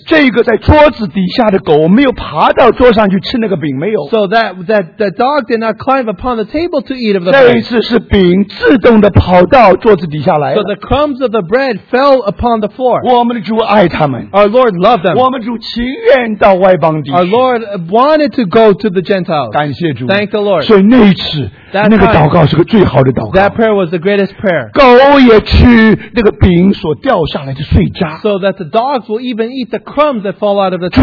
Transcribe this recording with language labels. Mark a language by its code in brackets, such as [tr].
[zh] 这个在桌子底下的狗没有爬到桌上去吃那个饼没有。 [en] So that dog did not climb upon the table to eat of the bread. [zh] 这一次是饼自动地跑到桌子底下来了。 [en] So the crumbs of the bread fell upon the floor. [zh] 我们的主爱他们, [en] our Lord loved them. [zh] 我们主情愿到外邦地, [en] our Lord wanted to go to the Gentiles. [zh] 感谢主, [en] thank the Lord. [zh] 那个祷告是个最好的祷告。 [en] That prayer was the greatest prayer. [zh] 狗也吃那个饼所掉下来的碎渣。 [en] So that the dogs will even eat the crumbs that fall out of the table.